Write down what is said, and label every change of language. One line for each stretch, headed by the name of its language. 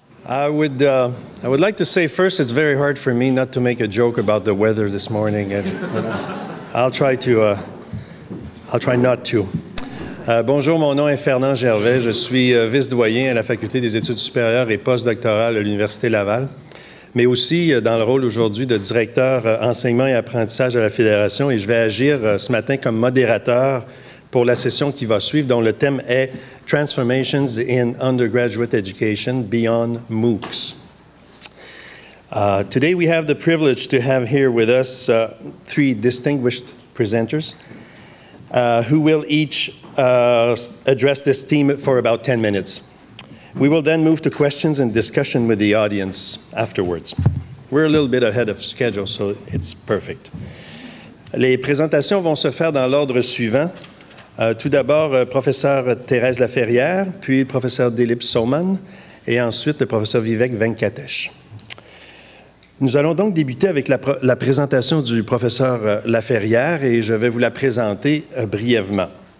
English: I would like to say first, it's very hard for me not to make a joke about the weather this morning, and I'll try not to.
French: Bonjour, mon nom est Fernand Gervais. Je suis vice-doyen à la Faculté des études supérieures et postdoctorales à l'Université Laval, mais aussi dans le rôle aujourd'hui de directeur enseignement et apprentissage à la Fédération, et je vais agir ce matin comme modérateur pour la session qui va suivre, dont le thème est « Transformations in Undergraduate Education Beyond MOOCs ».
English: Today we have the privilege to have here with us three distinguished presenters who will each address this theme for about 10 minutes. We will then move to questions and discussion with the audience afterwards. We're a little bit ahead of schedule, so it's perfect.
French: Les présentations vont se faire dans l'ordre suivant. Tout d'abord, professeur Thérèse Laferrière, puis professeur Dilip Soman, et ensuite le professeur Vivek Venkatesh. Nous allons donc débuter avec la présentation du professeur Laferrière, et je vais vous la présenter brièvement.